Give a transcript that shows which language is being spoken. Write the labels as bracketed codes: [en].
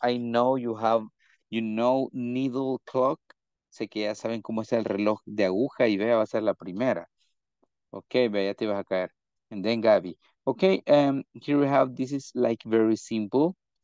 [en] I know you have, you know, needle clock. [es] Sé que ya saben cómo es el reloj de aguja y vea, va a ser la primera. Ok, vea, ya te vas a caer. [en] And then Gaby. Ok, here we have, this is like very simple.